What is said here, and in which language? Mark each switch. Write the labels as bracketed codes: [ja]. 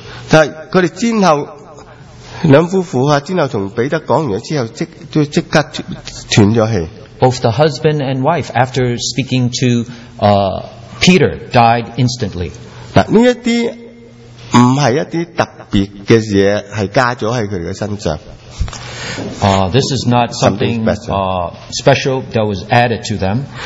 [zh] 但是他们之后,两夫妇,之后跟彼得说完之后,都立刻断了气。 [en] Both the husband and wife, after speaking to Peter, died instantly. [zh] 这些不是一些特别的东西,是加在他们的身上。 [en] This is not something special that was added to them.